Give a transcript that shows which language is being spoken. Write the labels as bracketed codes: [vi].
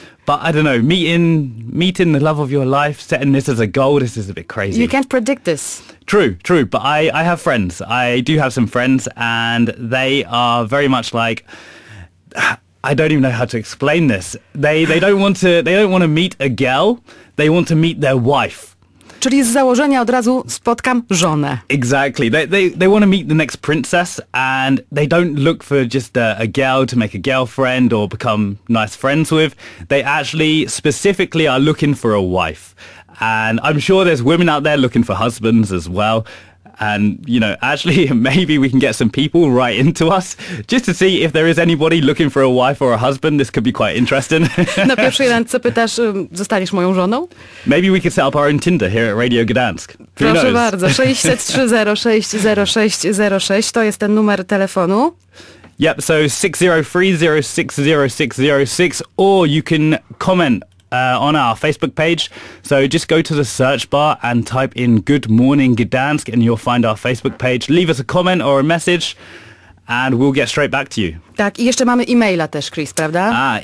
[en] But I don't know, meeting the love of your life, setting this as a goal, this is a bit crazy. You can't predict this. True, but I have friends. I do have some friends and they are very much like, I don't even know how to explain this. They don't want to meet a girl, they want to meet their wife. [pl] Czyli z założenia od razu spotkam żonę. [en] Exactly. They want to meet the next princess and they don't look for just a girl to make a girlfriend or become nice friends with. They actually specifically are looking for a wife. And I'm sure there's women out there looking for husbands as well. And, you know, actually, maybe we can get some people write into us just to see if there is anybody looking for a wife or a husband. This could be quite interesting. [pl] Na pierwszej randce pytasz, zostaniesz moją żoną? [en] Maybe we could set up our own Tinder here at Radio Gdańsk. Who [pl] Proszę [en] knows? [pl] Bardzo, 603-060606, to jest ten numer telefonu. [en] Yep, so 603-060606, or you can comment on our Facebook page. So just go to the search bar and type in Good Morning Gdansk and you'll find our Facebook page. Leave us a comment or a message and we'll get straight back to you. [pl] Tak, i jeszcze mamy e-maila też, Chris, prawda?